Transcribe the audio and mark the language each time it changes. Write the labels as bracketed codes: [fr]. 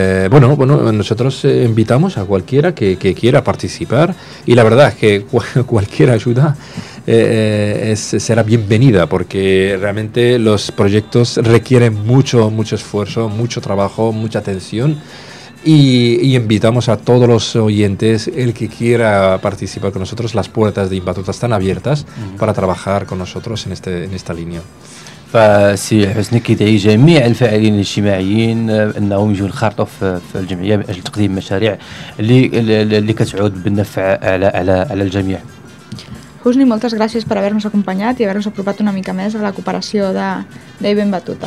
[es] Bueno, nosotros invitamos a cualquiera que quiera participar, y la verdad es que cualquier ayuda será bienvenida, porque realmente los proyectos requieren mucho esfuerzo, mucho trabajo, mucha atención, y invitamos a todos los oyentes, el que quiera participar con nosotros, las puertas de Ibn Battuta están abiertas para trabajar con nosotros en esta línea. [ar] فسي حسني كيدعي جميع الفاعلين الاجتماعيين انهم يجوا ينخرطوا في الجمعيه من اجل تقديم مشاريع اللي كتعود بالنفع على على على الجميع. [ca] حسني moltes gràcies per haver-nos acompanyat i haver-nos apropat una mica més a la cooperació de Ibn Battuta.